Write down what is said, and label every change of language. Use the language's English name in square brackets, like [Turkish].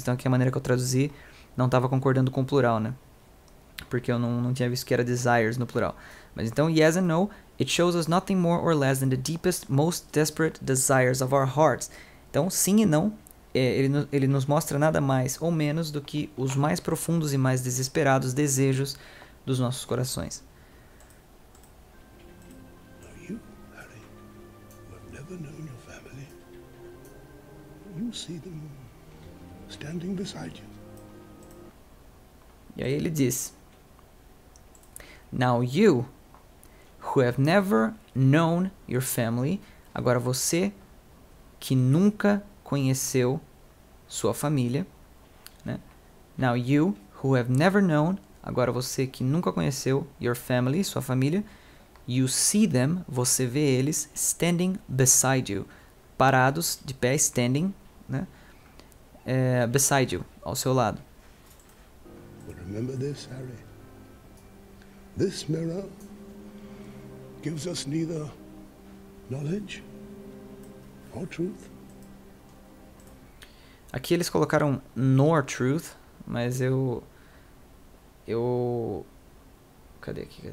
[Portuguese] Então aqui a maneira que eu traduzi não estava concordando com o plural, né? Porque eu não tinha visto que era desires no plural. Mas então, [English] yes and no, it shows us nothing more or less than the deepest, most desperate desires of our hearts. [Portuguese] Então, sim e não, ele nos mostra nada mais ou menos do que os mais profundos e mais desesperados desejos dos nossos corações. [English] You, Harry, you have never known your family. You see them standing beside you. [Portuguese] E aí ele diz, [English] now you, who have never known your family, [Portuguese] agora você que nunca conheceu sua família, né? [English] Now you, who have never known, [Portuguese] agora você que nunca conheceu [English] your family, [Portuguese] sua família, [English] you see them, [Portuguese] você vê eles [English] standing beside you, [Portuguese] parados de pé, [English] standing, né? Beside you, [Portuguese] ao seu lado. [English] Remember this, Harry. This mirror gives us neither knowledge nor truth. [Portuguese] Aqui eles colocaram [English] nor truth, [Portuguese] mas eu cadê?